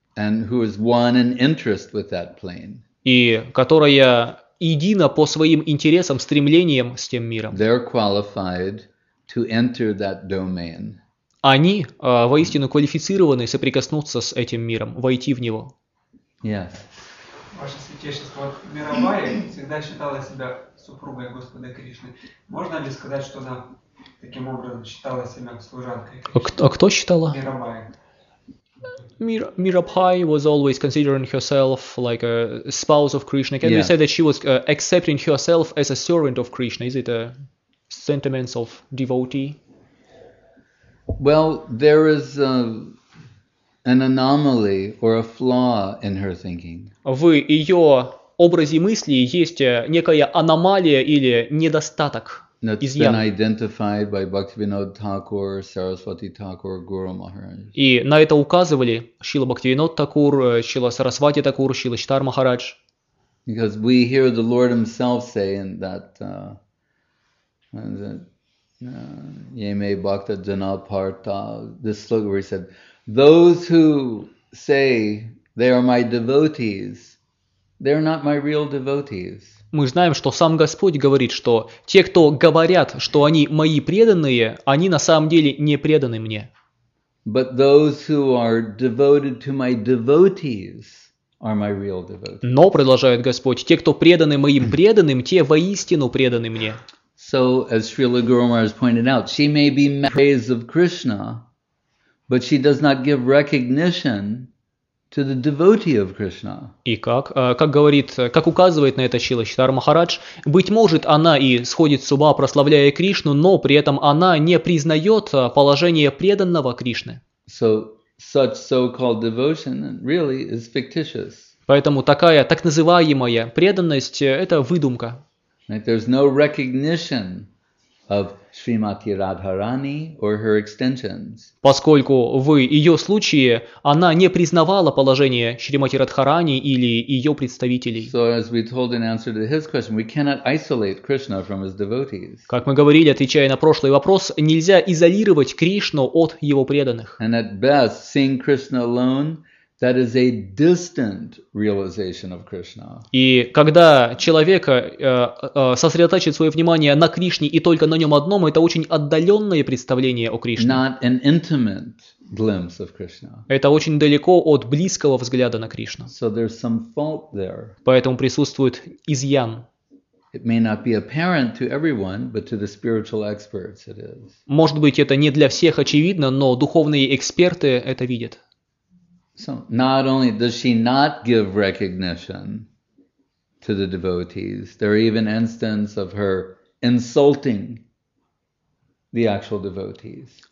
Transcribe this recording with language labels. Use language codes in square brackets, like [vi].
[en] And who is one in interest with that plane. [ru] И которая едина по своим интересам, стремлениям с тем миром. [en] They're qualified to enter that domain. [ru] Они воистину квалифицированы соприкоснуться с этим миром, войти в него. [en] Yes. [ru] Ваше святейшество, Мирабая всегда считала себя супругой Господа Кришны. Можно ли сказать, что она таким образом считала себя служанкой Кришны? А кто считала? Мирабая. [en] Mirabai was always considering herself like a spouse of Krishna. Can you say that she was accepting herself as a servant of Krishna? Is it a sentiments of devotee? Well, there is an anomaly or a flaw in her thinking. [ru] В ее образе мысли есть некая аномалия или недостаток. [en] That's been identified by Bhaktivinoda Thakur, Saraswati Thakur, Guru Maharaj. [ru] И на это указывали Шрила Бхактивинода Такур, Шрила Сарасвати Такур, Шрила Читар Махарадж. [en] Because we hear the Lord himself saying that Yeme Bhakta Janaparta, this slogan where he said, those who say they are my devotees, they are not my real devotees. [ru] Мы знаем, что сам Господь говорит, что те, кто говорят, что они мои преданные, они на самом деле не преданы мне. [en] But those who are devoted to my devotees are my real devotees. [ru] Но, продолжает Господь, те, кто преданы моим преданным, те воистину преданы мне. [en] So, as Srila Guru Maharaj pointed out, she may be in praise of Krishna, but she does not give recognition to the devotee of Krishna. [ru] И как говорит, как указывает на это Шрила Читар Махарадж, быть может, она и сходит с ума, прославляя Кришну, но при этом она не признает положение преданного Кришны. [en] So, such so-called devotion really is fictitious. [ru] Поэтому такая так называемая преданность – это выдумка. [en] There's no recognition of Srimati Radharani or her extensions. [ru] Поскольку в ее случае она не признавала положение Шримати Радхарани или ее представителей. [en] So as we told in answer to his question, we cannot isolate Krishna from his devotees. [ru] Как мы говорили, отвечая на прошлый вопрос, нельзя изолировать Кришну от его преданных. [en] And at best, seeing Krishna alone, that is a distant realization of Krishna. [ru] И когда человек сосредотачивает свое внимание на Кришне и только на нем одном, это очень отдаленное представление о Кришне. [en] Not an intimate glimpse of Krishna. [ru] Это очень далеко от близкого взгляда на Кришну. [en] So there's some fault there. [ru] Поэтому присутствует изъян. [en] It may not be apparent to everyone, but to the spiritual experts it is. [ru] Может быть, это не для всех очевидно, но духовные эксперты это видят. [en] So not only does she not give recognition to the devotees, there are even instances of her insulting the actual devotees.